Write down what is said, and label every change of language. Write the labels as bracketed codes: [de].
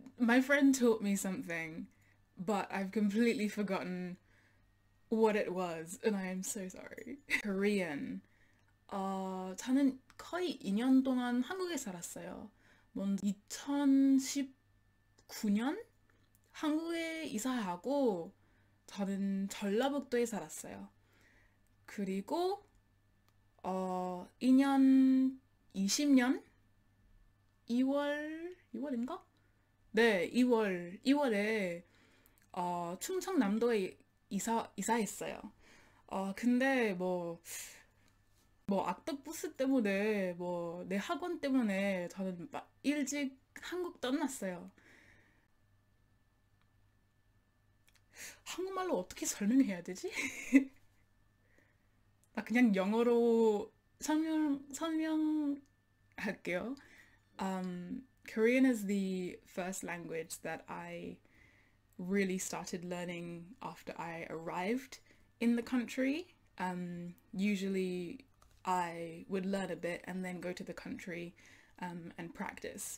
[en] My friend taught me something, but I've completely forgotten what it was, and I am so sorry. Korean. [ko] 저는 거의 2년 동안 한국에 살았어요. 먼저 2019년 한국에 이사하고 저는 전라북도에 살았어요. 그리고 2년 20년 2월인가? 네, 2월에 충청남도에 이사했어요. 근데 뭐 악덕버스 때문에 뭐내 학원 때문에 저는 막 일찍 한국 떠났어요. 한국말로 어떻게 설명해야 되지? 나 그냥 영어로 설명할게요. [en] Korean is the first language that I really started learning after I arrived in the country. Usually I would learn a bit and then go to the country and practice.